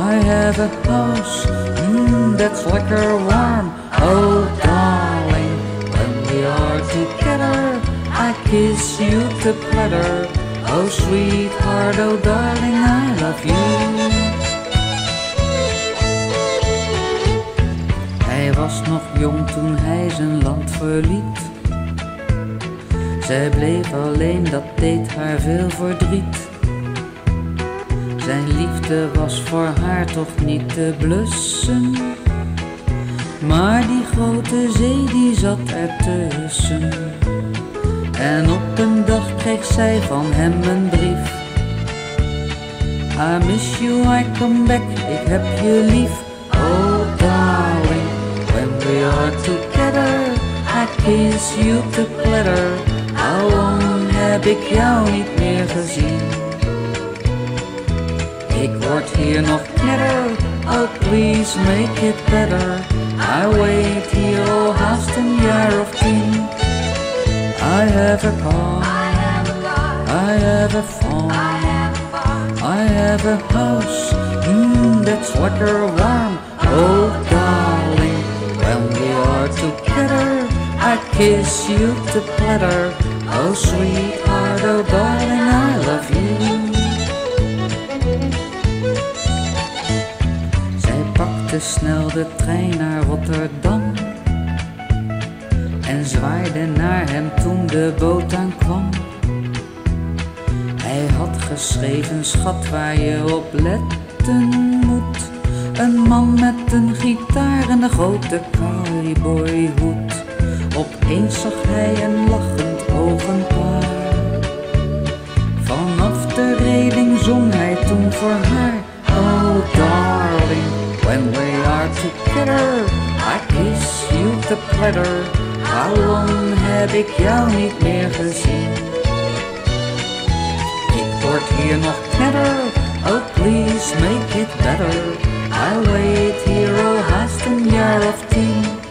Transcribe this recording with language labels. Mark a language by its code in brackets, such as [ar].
[en] I have a house, that's liquor warm. Oh darling, when we are together, I kiss you to pleather. Oh sweetheart, oh darling, I love you. [nl] Hij was nog jong toen hij zijn land verliet. Zij bleef alleen, dat deed haar veel verdriet. Zijn liefde was voor haar toch niet te blussen. Maar die grote zee die zat er tussen. En op een dag kreeg zij van hem een brief. [en] I miss you, I come back, [nl] ik heb je lief. [en] Oh darling, when we are together, I kiss you to pleather. [nl] Al lang heb ik jou niet meer gezien. Ik word hier nog knetter, [en] oh please make it better. I wait here, [nl] oh haast een jaar of tien. [en] I have a car, I have a car, I have a phone, I have a farm, I have a house, that's water warm. Oh darling, when we are together, I kiss you to pleather. Oh sweetheart, oh darling, I love you. [nl] Zij pakte snel de trein naar Rotterdam en zwaaide naar hem toen de boot aankwam. Hij had geschreven, schat, waar je op letten moet. Een man met een gitaar en een grote cowboyhoed. Opeens zag hij een lachend ogenpaar. Vanaf de reling zong hij toen voor haar. [en] Oh darling, when we are together, I kiss you to pleather. How long [nl] heb ik jou niet meer gezien? Ik word hier nog knetter, oh please make it better. [en] I wait here, [nl] oh haast een jaar of tien.